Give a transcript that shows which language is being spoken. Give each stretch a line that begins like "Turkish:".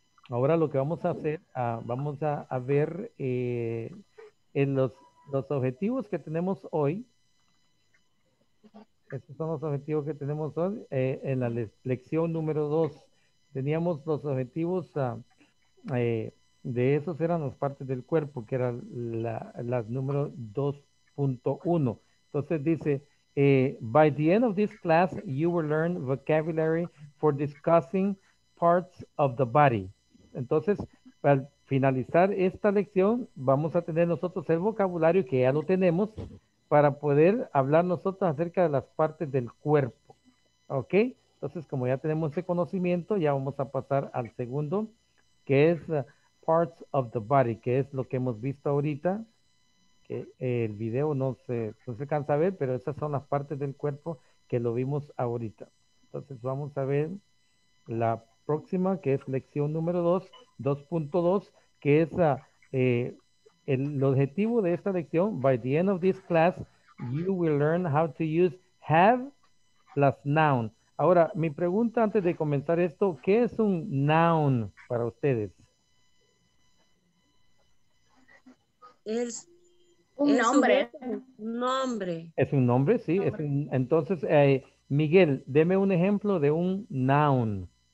Spanish: Ahora lo que vamos a hacer, vamos a ver en los objetivos que tenemos hoy. Estos son los objetivos que tenemos hoy en la lección número 2. Teníamos los objetivos, de esos eran las partes del cuerpo, que eran las número 2.1. Entonces dice,
English: by the end of this class, you will learn vocabulary for discussing parts of the body.
Spanish: Entonces, al finalizar esta lección, vamos a tener nosotros el vocabulario que ya lo tenemos para poder hablar nosotros acerca de las partes del cuerpo. ¿Ok? Entonces, como ya tenemos ese conocimiento, ya vamos a pasar al segundo, que es Parts of the Body, que es lo que hemos visto ahorita. Que el video no se cansa a ver, pero esas son las partes del cuerpo que lo vimos ahorita. Entonces, vamos a ver la próxima, que es lección número 2.2, que es el objetivo de esta lección.
English: By the end of this class, you will learn how to use have plus noun.
Spanish: Ahora, mi pregunta antes de comenzar esto, ¿qué es un noun para ustedes? Es un nombre. Es un nombre, sí. Entonces, Miguel, deme un ejemplo de un noun.